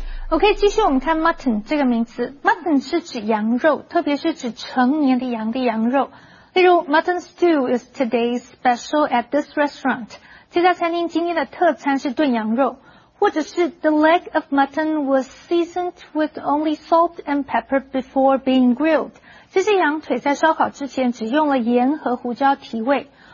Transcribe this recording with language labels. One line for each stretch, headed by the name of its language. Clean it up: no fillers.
Chinese: OK, 继续我们看 mutton 这个名词。mutton 是指羊肉，特别是指成年的羊的羊肉。例如
English: ,mutton stew is today's special at this restaurant.
Chinese: 这家餐厅今天的特餐是炖羊肉。或者是
English: ,the leg of mutton was seasoned with only salt and pepper before being grilled.
Chinese: 这些羊腿在烧烤之前只用了盐和胡椒提味。